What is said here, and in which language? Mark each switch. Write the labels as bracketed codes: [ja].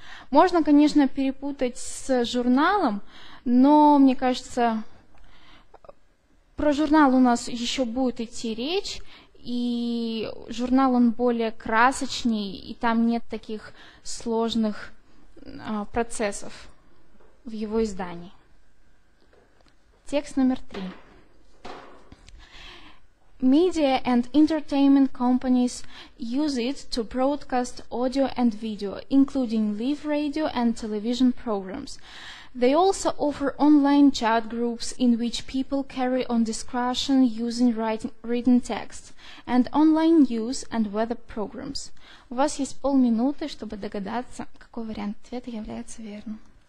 [ru] Можно, конечно, перепутать с журналом, но, мне кажется, про журнал у нас еще будет идти речь, и журнал, он более красочный, и там нет таких сложных процессов в его издании. Текст номер 3. [en] Media and entertainment companies use it to broadcast audio and video, including live radio and television programs. They also offer online chat groups in which people carry on discussion using written text and online news and weather programs. [ru] У вас есть полминуты, чтобы догадаться, какой вариант ответа является верным.